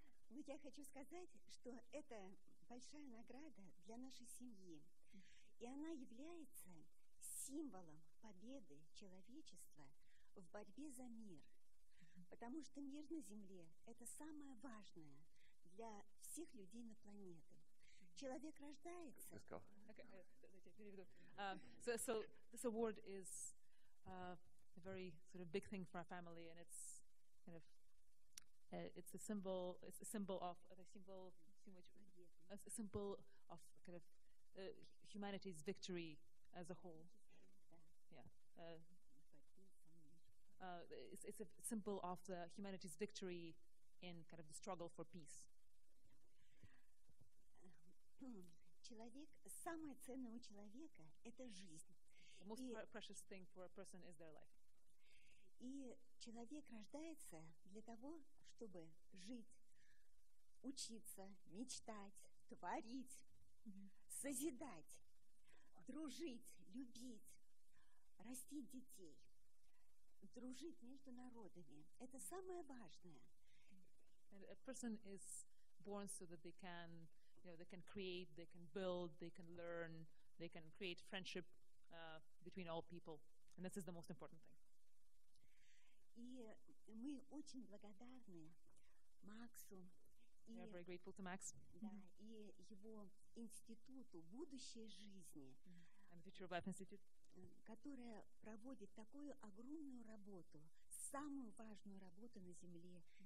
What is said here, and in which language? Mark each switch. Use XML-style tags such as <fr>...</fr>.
<ru>Вот я хочу сказать, что это большая награда для нашей семьи, и она является символом победы человечества в борьбе за мир. Потому что мир на Земле – это самое важное для всех людей на планете. Человек рождается.</ru> <en>Let's go. Okay, so this award is a very sort of big thing for our family, and it's kind of it's a symbol. It's a symbol of kind of humanity's victory as a whole. It's a symbol of the humanity's victory in kind of the struggle for peace.</en> <ru>Человек, самое ценное у человека – это жизнь.</ru> <en>The most precious thing for a person is their life.</en> <ru>И человек рождается для того, чтобы жить, учиться, мечтать, творить, созидать, дружить, любить, растить детей. Дружить между народами – это самое важное.</ru> <en>And a person is born so that they can, you know, they can create, they can build, they can learn, they can create friendship between all people, and this is the most important thing.</en> <ru>И мы очень благодарны Максу.</ru> <en>We are very grateful to Max.</en> <ru>Да, и его институту «Будущее жизни».</ru> <en>And Future of Life Institute.</en> <ru>Которая проводит такую огромную работу, самую важную работу на Земле.</ru>